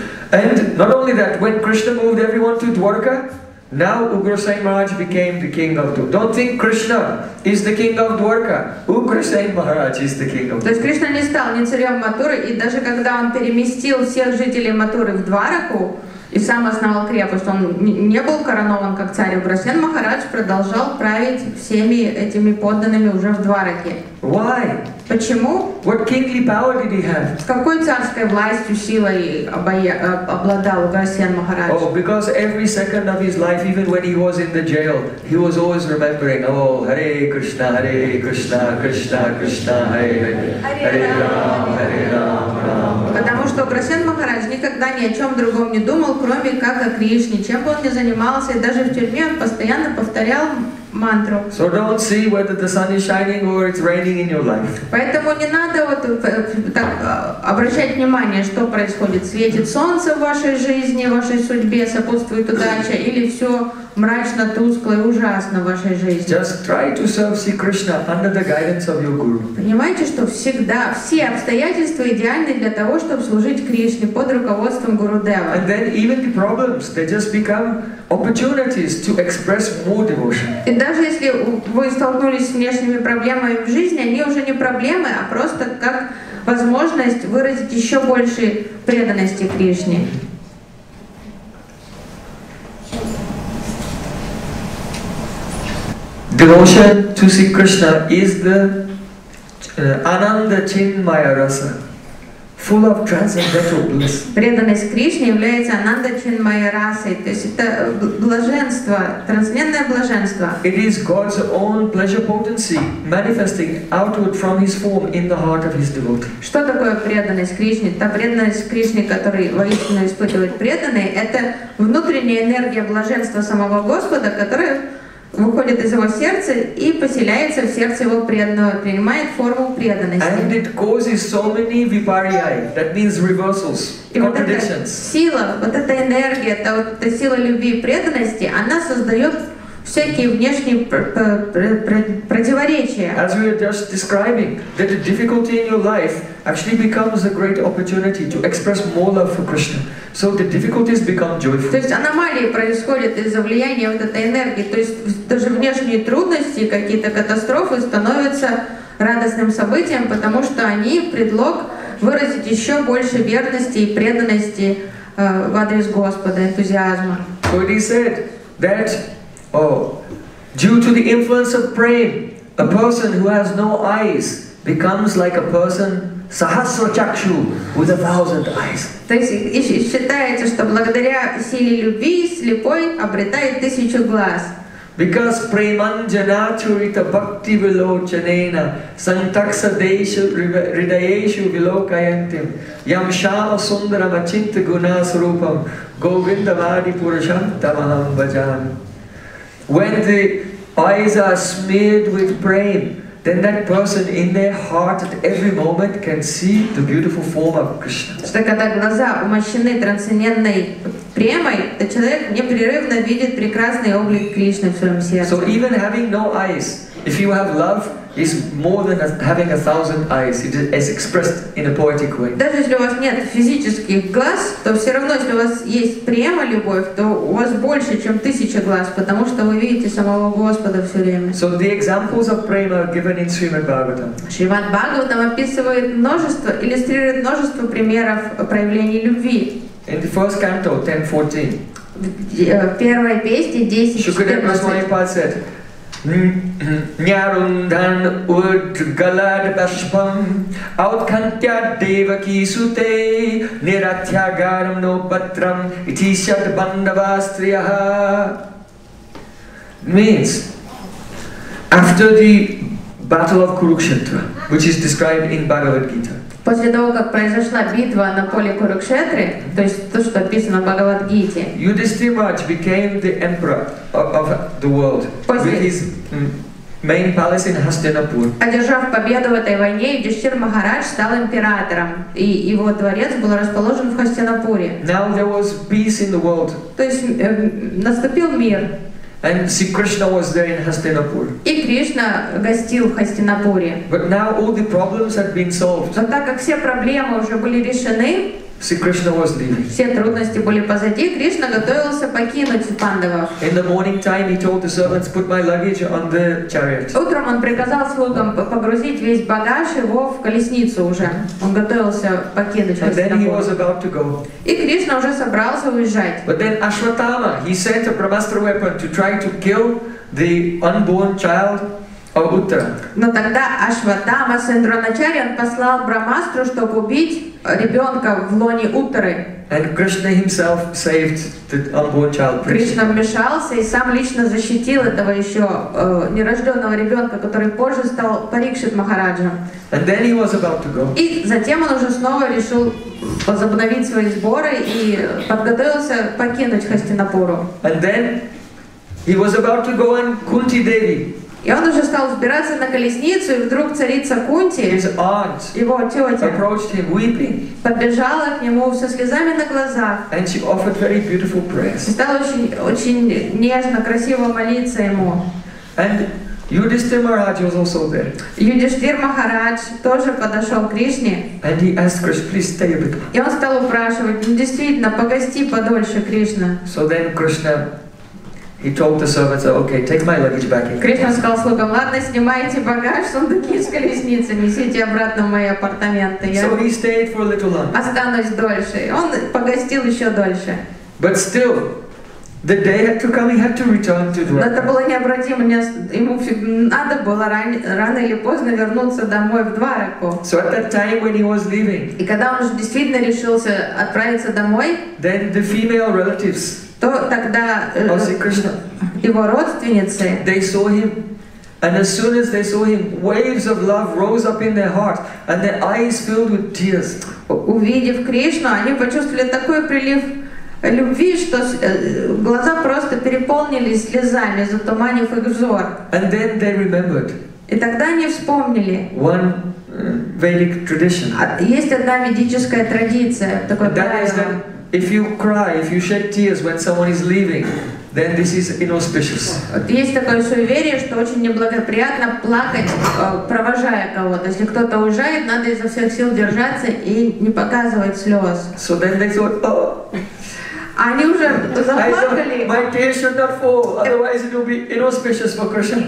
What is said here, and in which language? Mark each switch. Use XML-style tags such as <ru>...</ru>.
<en>And not only that, when Krishna moved everyone to Dwarka, now Ugrasen Maharaj became the king of Dwarka. Don't think Krishna is the king of Dwarka. Ugrasen Maharaj is the king of Dwarka.</en> <ru>То есть Кришна не стал ни царем Матуры, и даже когда он переместил всех жителей Матуры в Двараку и сам основал крепость, он не был коронован как царь. Ugrasen Maharaj продолжал править всеми этими подданными уже в Двараке.</ru> <en>Why?</en> <ru>Почему?</ru> <en>What kingly power did he have?</en> <ru>С какой царской властью, силой обладал Ugrasen Maharaj?</ru> <en>Oh, because every second of his life, even when he was in the jail, he was always remembering, oh, Hare Krishna, Hare Krishna, Krishna Krishna, Krishna Hare Hare, Hare Rama, Hare Rama, Rama Rama.</en> <ru>Потому что Ugrasen Maharaj никогда ни о чем другом не думал, кроме как о Кришне. Чем бы он ни занимался, и даже в тюрьме он постоянно повторял мантру.</ru> <en>So don't see whether the sun is shining or it's raining in your life.</en> <ru>Поэтому не надо вот так обращать внимание, что происходит. Светит солнце в вашей жизни, в вашей судьбе, сопутствует удача, или все мрачно, тускло и ужасно в вашей жизни.</ru> <en>Just try to serve Sri Krishna under the guidance of your guru.</en> <ru>Понимаете, что всегда все обстоятельства идеальны для того, чтобы служить Кришне под руководством Гурудева.</ru> <en>And then even the problems, they just become opportunities to express more devotion.</en> <ru>И даже если вы столкнулись с внешними проблемами в жизни, они уже не проблемы, а просто как возможность выразить еще больше преданности Кришне.</ru> <en>Devotion to Sri Krishna is the ananda chinmaya rasa, full of transcendental bliss.</en> <ru>Преданность Кришне является ананда чинмая расой, то есть это блаженство, трансцендентное блаженство.</ru> <en>It is God's own pleasure potency manifesting outward from His form in the heart of His devotee.</en> <ru>Что такое преданность Кришне? Та преданность Кришне, которую воистину испытывает преданный, это внутренняя энергия блаженства самого Господа, которая выходит из его сердца и поселяется в сердце его преданного, принимает форму преданности.</ru> <en>And it causes so many vipariyai, that means reversals, contradictions.</en> <ru>Вот эта сила, вот эта энергия, эта сила любви и преданности, она создает всякие внешние противоречия.</ru> <en>As we were just describing, that the difficulty in your life actually becomes a great opportunity to express more love for Krishna. So the difficulties become joyful.</en> <ru>То есть аномалии происходят из-за влияния вот этой энергии. То есть даже внешние трудности, какие-то катастрофы становятся радостным событием, потому что они предлог выразить еще больше верности и преданности в адрес Господа, энтузиазма.</ru> <en>So it is said that, oh, due to the influence of Prem, a person who has no eyes becomes like a person sahasra chakshu with 1,000 eyes.</en> <ru>То есть считается, что благодаря силе любви слепой обретает 1,000 глаз.</ru> <sa>Because premanjana churita bhakti vilochanena santaksa desha ridayeshu vilokayantim yam shama sundara machinta gunas rupam govinda vadi purushantamaham bhajam.</sa> <en>When the eyes are smeared with Prem, then that person in their heart at every moment can see the beautiful form of Krishna.</en> <ru>Когда глаза умощены трансцендентной премой, то человек непрерывно видит прекрасный облик Кришны в своем сердце.</ru> <en>So even having no eyes, if you have love, is more than having 1,000 eyes. It is expressed in a poetic way.</en> <ru>Даже если у вас нет физических глаз, то все равно, если у вас есть према любовь, то у вас больше, чем 1,000 глаз, потому что вы видите самого Господа все время.</ru> <en>So the examples of prema are given in Srimad Bhagavatam.</en> <ru>Шримад Бхагаватам описывает множество, иллюстрирует множество примеров проявлений любви.</ru> <en>In the first canto, 10:14.</en> <ru>Первая песня 10:14.</ru> <sa>Nyarundhan udgalad bashpam Outkantya devaki sute Nirathya garam no patram Itishat bandavastriyaha.</sa> <en>Means, after the battle of Kurukshetra, which is described in Bhagavad Gita.</en> <ru>После того, как произошла битва на поле Курукшетры, то есть то, что описано в Бхагавад Гите.</ru> <en>Yudhishthira became the emperor of the world with his main palace in Hastinapur.</en> <ru>Одержав победу в этой войне, Юдхиштхир Махарадж стал императором, и его дворец был расположен в Хастинапуре.</ru> <en>Now there was peace in the world.</en> <ru>То есть наступил мир.</ru> <en>And see, Krishna was there in Hastinapur.</en> <ru>И Кришна гостил в Хастинапуре.</ru> <en>But now all the problems had been solved.</en> <ru>Но так как все проблемы уже были решены,</ru> <en>see, Krishna was leaving.</en> <ru>Все трудности были позади, Кришна готовился покинуть Пандавов.</ru> <en>In the morning time, he told the servants, "Put my luggage on the chariot."</en> <ru>Утром он приказал слугам погрузить весь багаж его в колесницу уже. Он готовился покинуть Хастинапур.</ru> <en>And then he was about to go.</en> <ru>И Кришна уже собрался уезжать.</ru> <en>But then Ashwatthama, he sent a Brahmastra weapon to try to kill the unborn child.</en> <ru>Но тогда Ашватама, сын Дроначарьи, он послал Брахмастру, чтобы убить ребенка в лоне Уттары.</ru> <en>And Krishna himself saved the unborn child.</en> <ru>Кришна вмешался и сам лично защитил этого еще нерожденного ребенка, который позже стал Парикшит Махараджем.</ru> <en>And then he was about to go.</en> <ru>И затем он уже снова решил возобновить свои сборы и подготовился покинуть Хастинапуру.</ru> <en>And then he was about to go on Kunti Devi.</en> <ru>И он уже стал взбираться на колесницу, и вдруг царица Кунти, его тетя,</ru> <en>approached him weeping,</en> <ru>подбежала к нему со слезами на глазах.</ru> <en>And she offered very beautiful prayers.</en> <ru>И стала очень нежно, красиво молиться ему.</ru> <en>And Yudhishthir Maharaj was also there.</en> <ru>Юдхиштхир Махарадж тоже подошел к Кришне.</ru> <en>And he asked Krishna, please stay a bit.</en> <ru>И он стал упрашивать, ну действительно, погости подольше, Кришна.</ru> <en>So then Krishna, he told the servants, "Okay, take my luggage back."</en> <ru>Кришна сказал слугам: "Ладно, снимайте багаж, сундуки с колесницы, несите обратно в мои апартаменты."</ru> <en>So he stayed for a little longer.</en> <ru>Останусь дольше. Он погостил еще дольше.</ru> <en>But still, the day had to come. He had to return to Dwarka.</en> <ru>Это было необратимо. Ему надо было рано или поздно вернуться домой в Двараку.</ru> <en>So at that time when he was leaving.</en> <ru>И когда он уже действительно решился отправиться домой.</ru> <en>Then the female relatives.</en> <ru>То тогда его родственницы,</ru> <en>they saw him, and as soon as they saw him, waves of love rose up in their heart, and their eyes filled with tears.</en> <ru>Увидев Кришну, они почувствовали такой прилив любви, что глаза просто переполнились слезами, затуманив их взор.</ru> <en>And then they remembered.</en> <ru>И тогда они вспомнили.</ru> <en>One Vedic tradition.</en> <ru>Есть одна ведическая традиция, такое правило.</ru> <en>If you cry, if you shed tears when someone is leaving, then this is inauspicious.</en> <ru>Есть такое суеверие, что очень неблагоприятно плакать, провожая кого-то. Если кто-то уезжает, надо изо всех сил держаться и не показывать слез.</ru> <en>So then they thought, oh.</en> <ru>Они уже заплакали.</ru> <en>My tears should not fall, otherwise it will be inauspicious for Krishna.</en>